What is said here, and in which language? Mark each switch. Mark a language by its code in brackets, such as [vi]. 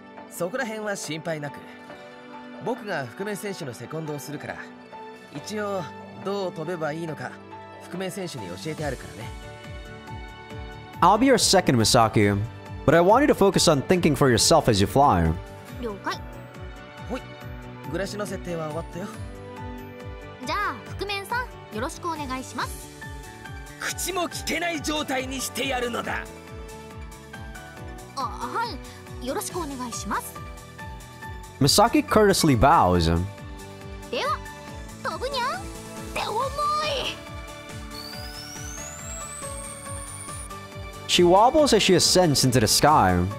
[ja] そこら辺は心配なく僕が覆面選手のセコンドをするから一応どう飛べばいいのか覆面選手に教えてあるからね [en] I'll be your second, Misaki But I want you to focus on thinking for yourself as you fly [ja] 了解ほい、グラシの設定は終わったよじゃあ覆面さん、よろしくお願いします口も聞けない状態にしてやるのだあ、はい、よろしくお願いします [en] Misaki courteously bows [ja] では、飛ぶにゃんって思い [en] She wobbles as she ascends into the sky